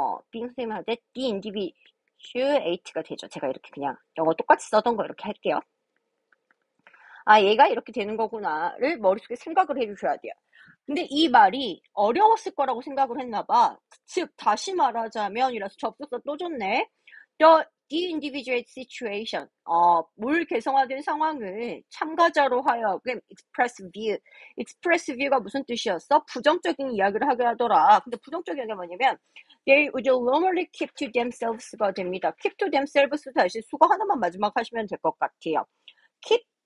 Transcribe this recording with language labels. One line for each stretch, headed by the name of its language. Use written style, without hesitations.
Korean: being 선생님한테 de-individuate가 되죠. 제가 이렇게 그냥 영어 똑같이 써던 거 이렇게 할게요. 아, 얘가 이렇게 되는 거구나를 머릿속에 생각을 해주셔야 돼요. 근데 이 말이 어려웠을 거라고 생각을 했나 봐. 즉, 다시 말하자면이라서 접속사 또 줬네.
English: The de-individuate situation.
Korean: 뭘 개성화된 상황을 참가자로 하여금 express view. express view가 무슨 뜻이었어? 부정적인 이야기를 하게 하더라. 근데 부정적인 게 뭐냐면,
English: they would normally keep to themselves
Korean: 가 됩니다. keep to themselves 다시 수거 하나만 마지막 하시면 될것 같아요. keep